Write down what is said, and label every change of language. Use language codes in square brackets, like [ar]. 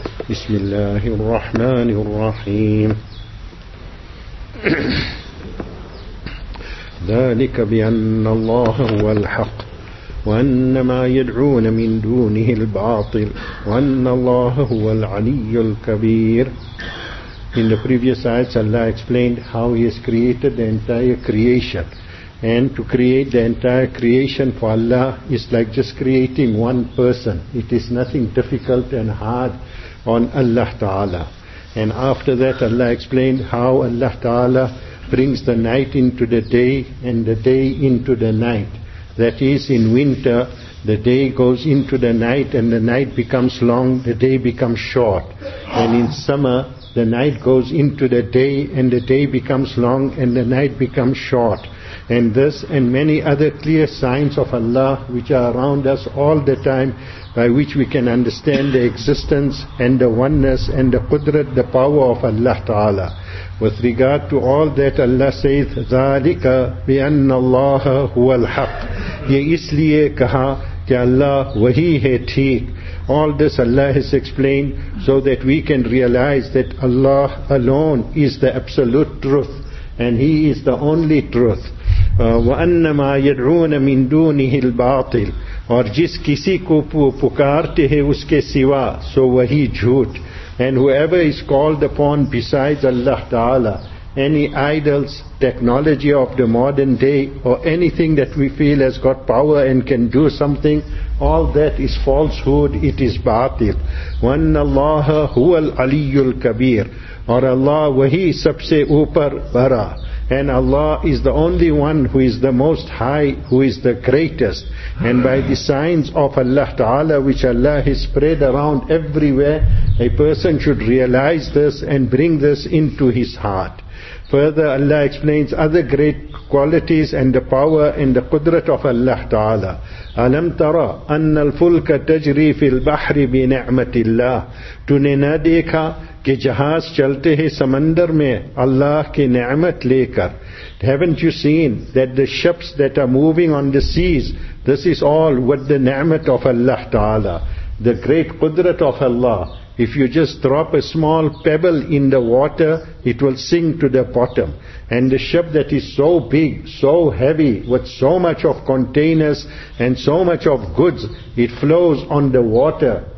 [ar] بسم الله الرحمن الرحيم. ذلك بأن الله هو الحق وأن ما يدعون من دونه الباطل وأن الله هو العلي الكبير. [en] In the previous ayats, Allah explained how He has created the entire creation. And to create the entire creation for Allah is like just creating one person. It is nothing difficult and hard on Allah Ta'ala. And after that, Allah explained how Allah Ta'ala brings the night into the day and the day into the night. That is, in winter, the day goes into the night and the night becomes long, the day becomes short. And in summer, the night goes into the day becomes long and the night becomes short. And this and many other clear signs of Allah which are around us all the time, by which we can understand the existence and the oneness and the qudrat, the power of Allah Ta'ala. With regard to all that, Allah says, [ar] ذَلِكَ بِأَنَّ اللَّهَ هُوَ الْحَقِّ. [ur] یہ اس لیے کہا کہ اللہ وہی ہے ٹھیک. [en] All this Allah has explained so that we can realize that Allah alone is the absolute truth and He is the only truth. [ar] وَأَنَّ مَا يَدْعُونَ مِن دُونِهِ الْبَاطِلِ. [ur] اور جس کسی کو پکارتے ہیں اس کے سوا سو وہی جھوٹ. [en] And whoever is called upon besides Allah Ta'ala, any idols, technology of the modern day, or anything that we feel has got power and can do something, all that is falsehood, it is batil. [ar] وَأَنَّ اللَّهَ هُوَ الْعَلِيُّ الْكَبِيرُ. [ur] اور اللہ وہی سب سے اوپر برا. [en] And Allah is the only one who is the most high, who is the greatest. And by the signs of Allah Ta'ala, which Allah has spread around everywhere, a person should realize this and bring this into his heart. Further, Allah explains other great qualities and the power and the qudrat of Allah Ta'ala. [ar] أَلَمْ تَرَ أَنَّ الْفُلْكَ تَجْرِي فِي الْبَحْرِ بِنِعْمَةِ اللَّهِ. [ur] تُنے نہ دیکھا کہ جہاز چلتے ہیں سمندر میں اللہ کی نعمت لے کر. [en] Haven't you seen that the ships that are moving on the seas, this is all with the نعمت of Allah Ta'ala, the great قدرت of Allah. If you just drop a small pebble in the water, it will sink to the bottom. And the ship that is so big, so heavy, with so much of containers and so much of goods, it flows on the water.